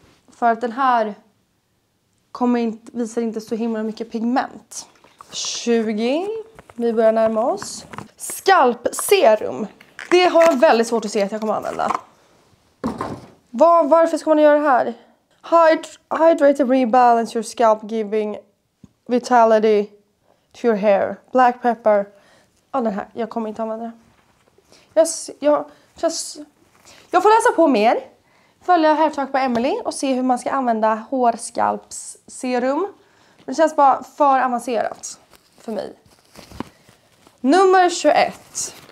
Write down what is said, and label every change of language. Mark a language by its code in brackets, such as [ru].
[sv] För att den här visar inte så himla mycket pigment. 20. Vi börjar närma oss. Scalp Serum. Det har jag väldigt svårt att se att jag kommer använda. Varför ska man göra det här? [en] Hydrate and rebalance your scalp, giving vitality to your hair. [sv] Black pepper. Ja, den här. Jag kommer inte använda det. Jag får läsa på mer. Följa Hair Talk på Emily och se hur man ska använda hårskalpsserum. Men det känns bara för avancerat för mig. Nummer 21.